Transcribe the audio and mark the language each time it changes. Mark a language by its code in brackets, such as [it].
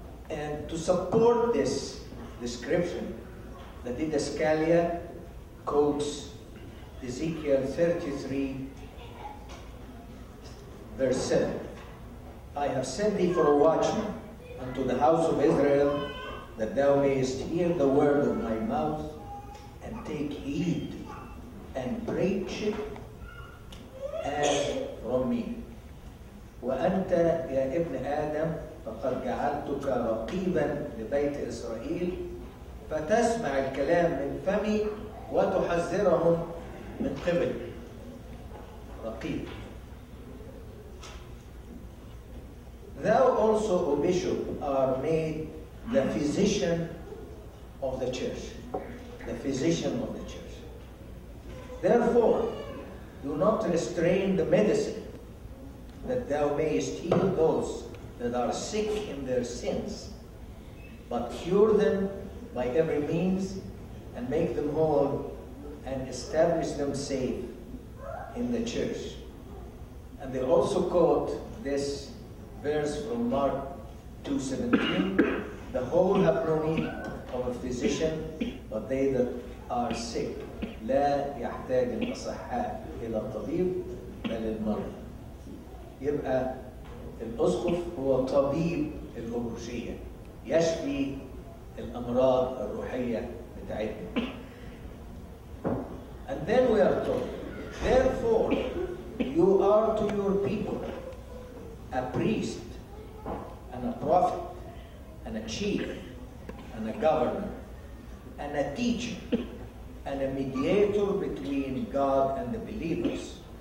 [en] And to support this description, the Didascalia quotes Ezekiel 33, verse 7. I have sent thee for a watchman unto the house of Israel, that thou mayest hear the word of my mouth, and take heed, and preach it as [ar] وأنت يا ابن آدم فقد جعلتك رقيبا لبيت إسرائيل فتسمع الكلام من فمي وتحذرهم من قبل رقيب. [en] Thou also, O bishop, are made the physician of the church, the physician of the church. Therefore, do not restrain the medicine that thou mayest heal those that are sick in their sins, but cure them by every means and make them whole and establish them safe in the church. And they also quote this verse from Mark 2:17, the whole have no need of a physician, but they that are sick, [ar] لا يحتاج المصحاء إلى الطبيب بل المرضى. يبقى الأسقف هو طبيب الأمروشية، يشفي الأمراض الروحية بتاعتنا. [en] And then we are told, therefore you are to your people a priest, and a prophet, and a chief, and a governor, and a teacher, and a mediator between God and the believers,